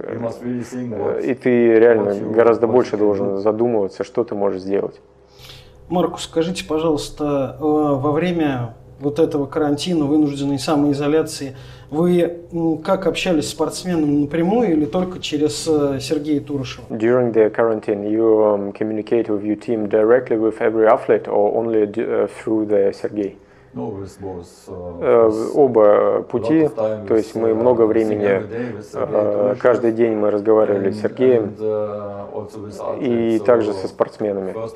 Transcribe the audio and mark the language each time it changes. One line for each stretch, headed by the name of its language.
Russian: И ты реально гораздо больше должен задумываться, что ты можешь сделать. Маркус, скажите, пожалуйста, во время вот этого карантина, вынужденной самоизоляции, вы как общались с спортсменом, напрямую или только через Сергея Турышева?
English: During the quarantine, you communicate with your team directly with every athlete or only through the Сергей?
Russian: оба пути, то есть мы много времени, каждый день мы разговаривали с Сергеем и также со спортсменами.